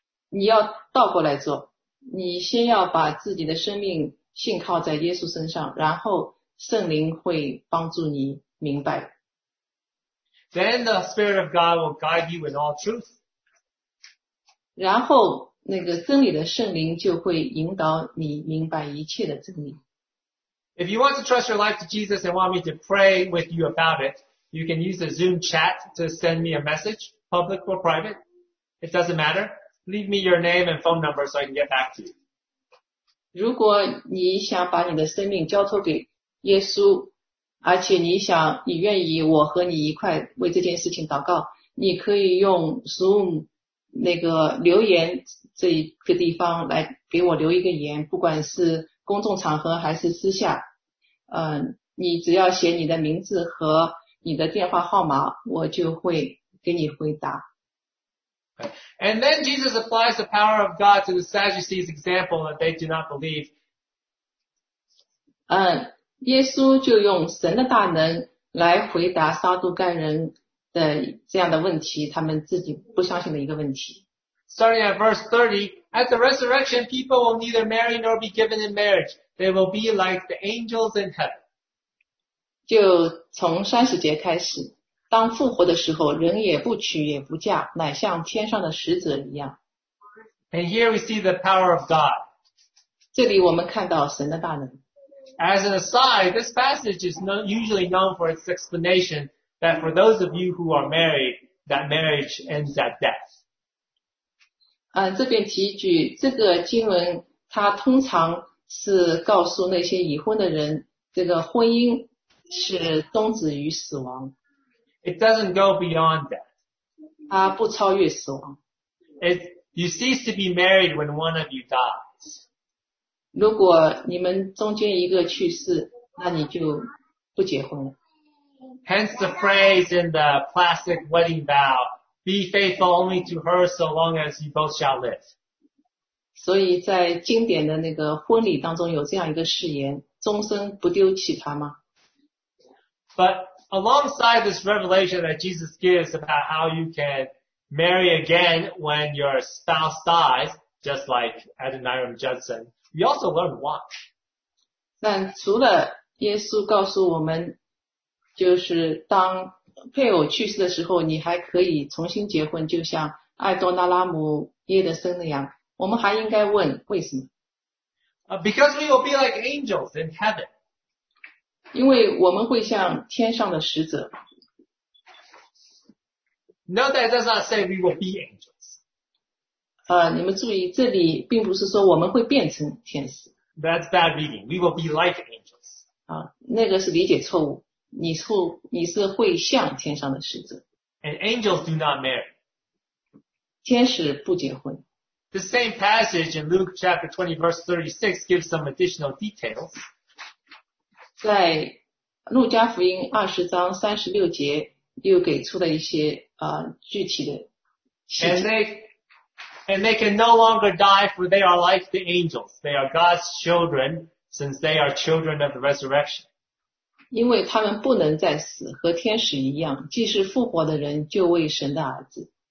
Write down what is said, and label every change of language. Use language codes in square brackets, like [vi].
[zh] 你要倒过来做，你先要把自己的生命信靠在耶稣身上，然后圣灵会帮助你明白。 [en] Then the Spirit of God will guide you in all truth. [zh] 然后那个真理的圣灵就会引导你明白一切的真理。 [en] If you want to trust your life to Jesus and want me to pray with you about it, you can use the Zoom chat to send me a message, public or private. It doesn't matter. Leave me your name and phone number so I can get back to you. [zh] 如果你想把你的生命交托给耶稣，而且你愿意我和你一块为这件事情祷告，你可以用 Zoom 那个留言这一个地方来给我留一个言，不管是公众场合还是私下，你只要写你的名字和你的电话号码，我就会给你回答。 [en] And then Jesus applies the power of God to the Sadducees' example that they do not believe. [zh] 耶稣就用神的大能来回答撒杜盖人的这样的问题，他们自己不相信的一个问题。 [en] Starting at verse 30, at the resurrection, people will neither marry nor be given in marriage. They will be like the angels in heaven. [zh] 就从三十节开始，当复活的时候，人也不娶也不嫁，乃像天上的使者一样。 [en] And here we see the power of God. [zh] 这里我们看到神的大能。 [en] As an aside, this passage is usually known for its explanation that for those of you who are married, that marriage ends at death. [zh] 这边提一句，这个经文它通常是告诉那些已婚的人，这个婚姻是终止于死亡。 [en] It doesn't go beyond death. [zh] 它不超越死亡。 [en] You cease to be married when one of you dies. [zh] 如果你们中间一个去世，那你就不结婚了。 [en] Hence the phrase in the classic wedding vow, be faithful only to her so long as you both shall live. [zh] 所以在经典的那个婚礼当中有这样一个誓言，终身不丢弃她吗？ [en] But alongside this revelation that Jesus gives about how you can marry again when your spouse dies, just like Adoniram Judson,We also learn why. [zh] 但除了耶稣告诉我们，就是当配偶去世的时候，你还可以重新结婚，就像爱多纳拉姆耶德森那样，我们还应该问为什么？ [en] Because we will be like angels in heaven. [zh] 因为我们会像天上的使者。 [en] No, that does not say we will be angels. [zh] 你们注意，这里并不是说我们会变成天使。 [en] That's bad reading. We will be like angels. [zh] 那个是理解错误。你是会像天上的使者。 [en] And angels do not marry. [zh] 天使不结婚。 [en] The same passage in Luke chapter 20 verse 36 gives some additional details. [zh] 在路加福音二十章三十六节又给出了一些具体的细节。 [en] And they can no longer die, for they are like the angels. They are God's children, since they are children of the resurrection. [zh] 因为他们不能再死，和天使一样，既是复活的人，就为神的儿子。